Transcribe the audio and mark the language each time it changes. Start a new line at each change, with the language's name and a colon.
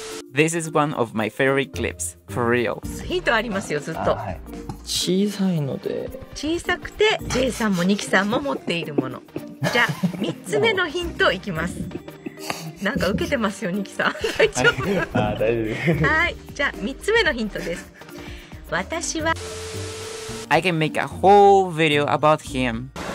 English: This is one of my favorite clips, for real.
Japanese: ヒントありますよ、ずっと。小さいので… 小さくて、Jさんもニキさんも持っているもの。じゃあ、3つ目のヒントいきます。なんか受けてますよ、ニキさん。大丈夫? あ、大丈夫。はい、じゃあ3つ目のヒントです。私は…
English: I can make a whole video about him.